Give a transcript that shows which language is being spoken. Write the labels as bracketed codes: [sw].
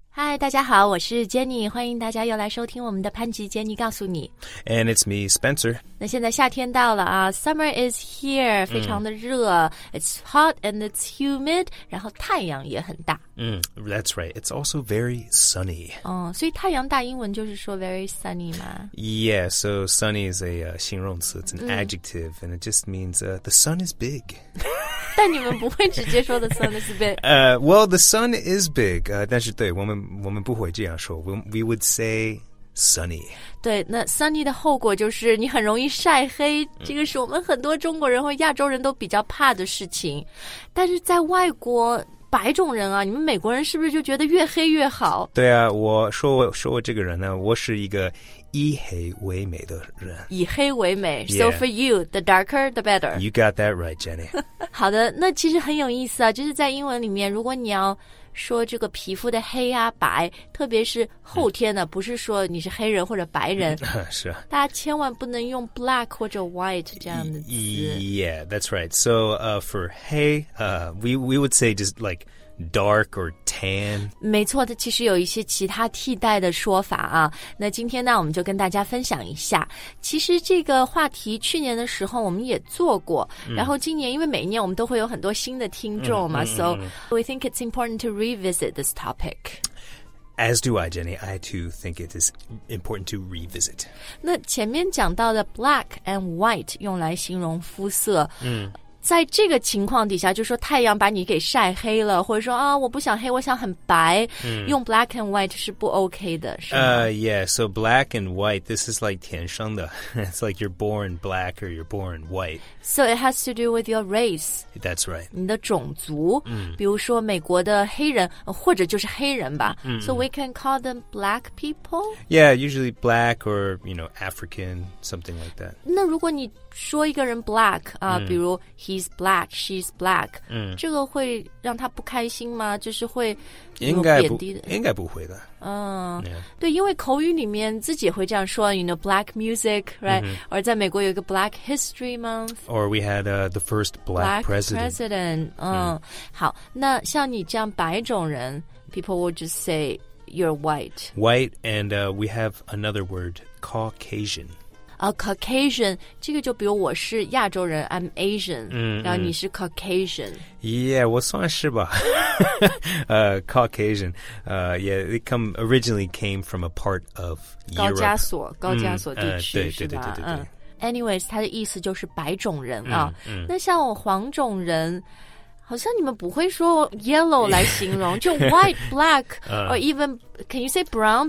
[zh] 嗨，大家好，我是 Jenny， 欢迎大家又来收听我们的潘吉 Jenny 告诉你。 [en] And it's me, Spencer. [zh] 那现在夏天到了啊 ， [en] Summer is here， [zh] 非常的热、 [en] It's hot and it's humid， [zh] 然后太阳也很大。 [en] That's right. It's also very sunny. [zh] 哦，所以太阳大英文就是说 [en] very sunny [zh] 吗 [en] ？Yeah, so sunny is a 形容词 it's an adjective, and it just means the sun is big. [zh] 但你们不会直接说 [en] the sun is big. Well, the sun is big. [zh] 但是对我们不会这样说 [en] we would say sunny. [zh] 对，那 sunny 的后果就是你很容易晒黑，这个是我们很多中国人或亚洲人都比较怕的事情。但是在外国。白种人啊，你们美国人是不是就觉得越黑越好？对啊，我说我这个人呢，我是一个以黑为美的人。以黑为美、 [en] yeah. ，so for you, the darker the better. You got that right, Jenny. [zh] 好的，那其实很有意思啊，就是在英文里面，如果你要说这个皮肤的黑啊白，特别是后天的，不是说你是黑人或者白人，是啊，大家千万不能用 black 或者 white 这样的词。 [en] Yeah, that's right. So, for 黑, we would say just like dark or tan. [zh] 没错，它其实有一些其他替代的说法啊。那今天呢，我们就跟大家分享一下。其实这个话题去年的时候我们也做过，然后今年因为每一年我们都会有很多新的听众嘛， [en] so we think it's important to revisit this topic. As do I, Jenny. I too think it is important to revisit. [zh] 那前面讲到的 black and white 用来形容肤色，在这个情况底下，就说太阳把你给晒黑了，或者说啊，我不想黑，我想很白，用 black and white 是不 OK 的，是吗？ [en] Yeah. So black and white, this is like [zh] 天生的 [en] It's like you're born black or you're born white. So it has to do with your race. That's right. [zh] 你的种族，比如说美国的黑人，或者就是黑人吧。 [en] So we can call them black people. Yeah, usually black or you know African, something like that. [zh] 那如果你说一个人 black 啊，比如 [en] he's black, she's black， [zh] 这个会让他不开心吗？就是会应该不应该不会的。对，因为口语里面自己会这样说 ， [en] you know black music， right？ [zh] 而在美国有一个 Black History Month， [en] or we had the first black president。 [zh] 好，那像你这样白种人 [en] ，people will just say you're white。 White and we have another word Caucasian。 [zh] A Caucasian, 这个就比如我是亚洲人 [en] I'm Asian, [zh] 然后你是 Caucasian. [en] Yeah, [zh] 我算是吧 [en] Caucasian, yeah, it come, originally came from a part of Europe. [zh] 高加索地区对是吧？对 Anyways, 它的意思就是白种人啊。那像我黄种人好像你们不会说 yellow 来形容，就 [en] white, black, or even can you say brown?